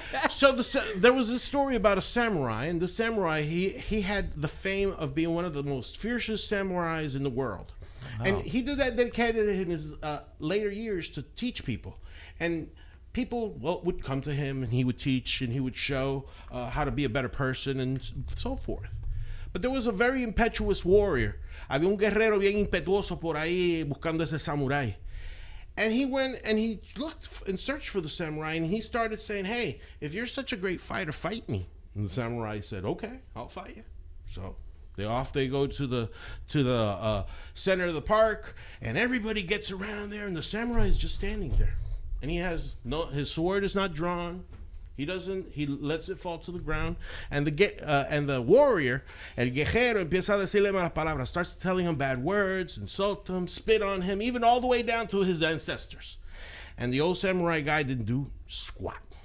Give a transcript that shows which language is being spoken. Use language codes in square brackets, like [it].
[en] So there was a story about a samurai, and the samurai, he had the fame of being one of the most fiercest samurais in the world. Wow. And he did that dedicated in his later years to teach people. And people would come to him and he would teach and he would show how to be a better person and so forth. But there was a very impetuous warrior. [es] Había un guerrero bien impetuoso por ahí buscando ese samurai. [en] And he went and he looked and searched for the samurai and he started saying, hey, if you're such a great fighter, fight me. And the samurai said, okay, I'll fight you. So they go to the center of the park, and everybody gets around there, and the samurai is just standing there, and he has no, his sword is not drawn, he lets it fall to the ground, and the warrior, [es] el guerrero, empieza a decirle malas palabras, [en] starts telling him bad words, insult him, spit on him, even all the way down to his ancestors, and the old samurai guy didn't do squat.